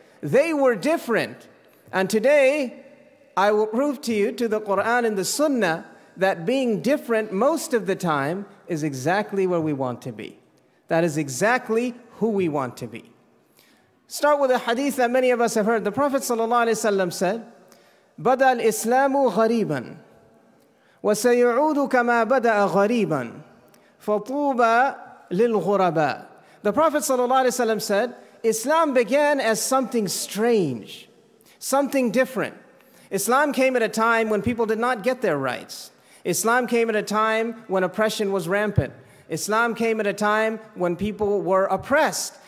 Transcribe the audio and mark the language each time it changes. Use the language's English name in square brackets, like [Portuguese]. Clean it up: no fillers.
[English] They were different. And today, I will prove to you, to the Quran and the Sunnah, that being different most of the time is exactly where we want to be. That is exactly who we want to be. Start with a hadith that many of us have heard. The Prophet ﷺ said, [Arabic] بَدَى الْإِسْلَامُ غَرِيبًا وَسَيُعُودُ كَمَا بَدَأَ غَرِيبًا فَطُوبَ لِلْغُرَبَى. [English] The Prophet ﷺ said, Islam began as something strange, something different. Islam came at a time when people did not get their rights. Islam came at a time when oppression was rampant. Islam came at a time when people were oppressed.